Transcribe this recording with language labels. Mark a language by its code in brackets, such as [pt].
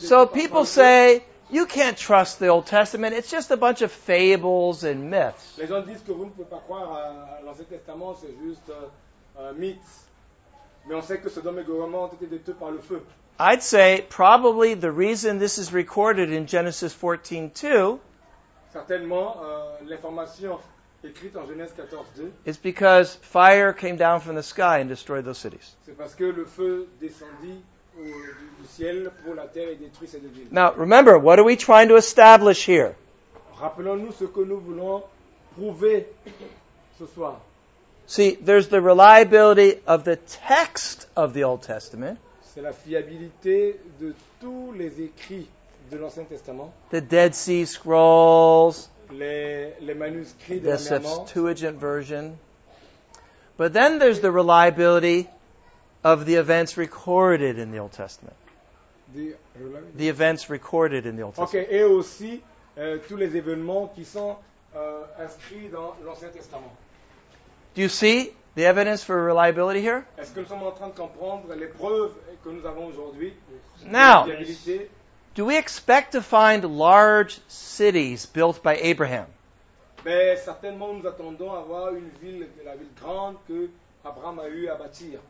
[en] So people say, you can't trust the Old Testament. It's just a bunch of fables and myths. [fr] Les gens disent que vous ne pouvez pas croire à l'Ancien Testament, c'est juste mythes. Mais on sait que Sodome et Gomorrhe ont été détruits par le feu. [en] I'd say probably the reason this is recorded in Genesis 14:2. [fr] Certainement, l'information écrite en Genèse 14:2. [en] Is because fire came down from the sky and destroyed those cities. [fr] C'est parce que le feu descendit. Du ciel pour la terre et détruit cette ville. [en] Now, remember, what are we trying to establish here? [fr] Rappelons-nous ce que nous voulons prouver ce soir. [en] See, there's the reliability of the text of the Old Testament. [fr] C'est la fiabilité de tous les écrits de l'Ancien Testament. [en] The Dead Sea Scrolls. [fr] Les manuscrits de la [en] Septuagint. The Septuagint version. But then there's the reliability of the events recorded in the Old Testament. The events recorded in the Old Testament. [fr] Okay, et aussi tous les événements qui sont inscrits dans l'Ancien Testament. [en] Do you see the evidence for reliability here? [fr] Est-ce que nous sommes en train de comprendre les preuves que nous avons aujourd'hui? [en] Now, do we expect to find large cities built by Abraham? [fr] Mais certainement nous attendons à voir une ville, la ville grande que Abraham a eu à bâtir.